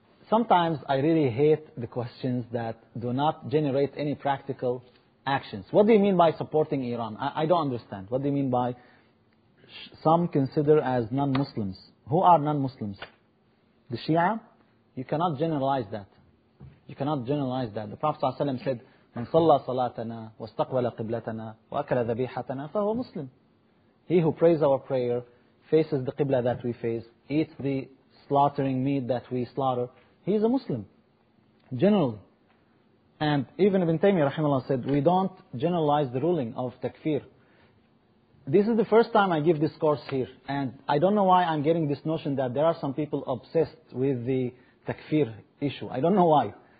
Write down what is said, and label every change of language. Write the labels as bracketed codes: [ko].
[en] Sometimes I really hate the questions that do not generate any practical actions. What do you mean by supporting Iran? I don't understand. What do you mean by some consider as non-Muslims? Who are non-Muslims? The Shia? You cannot generalize that. You cannot generalize that. The Prophet ﷺ said, [ar] من صلى صلاتنا واستقبل قبلتنا وأكل ذبيحتنا فهو مسلم. [en] He who prays our prayer, faces the qibla that we face, eats the slaughtering meat that we slaughter, he is a Muslim, generally. And even Ibn Taymiyyah rahimahullah said, we don't generalize the ruling of takfir. This is the first time I give this course here, and I don't know why I'm getting this notion that there are some people obsessed with the takfir issue. I don't know why.